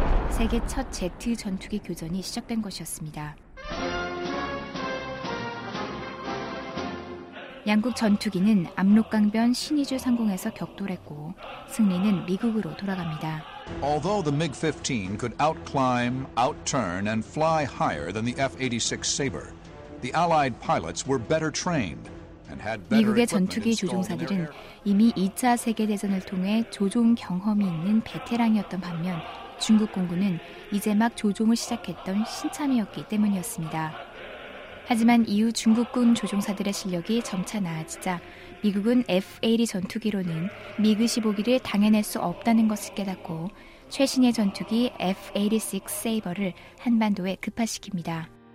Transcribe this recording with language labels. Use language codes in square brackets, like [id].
[ko] 세계 첫 제트 전투기 교전이 시작된 것이었습니다. 양국 전투기는 압록강변 신의주 상공에서 격돌했고 승리는 미국으로 돌아갑니다. [en] Although the MiG-15 could outclimb, outturn and fly higher than the F-86 Sabre, the Allied pilots were better trained and had better. [ko] 미국의 전투기 조종사들은 이미 2차 세계 대전을 통해 조종 경험이 있는 베테랑이었던 반면 중국 공군은 이제 막 조종을 시작했던 신참이었기 때문이었습니다. 하지만 이후 중국군 조종사들의 실력이 점차 나아지자 미국은 F-80 전투기로는 미그 15기를 당해낼 수 없다는 것을 깨닫고 최신의 전투기 F-86 세이버를 한반도에 급파시킵니다.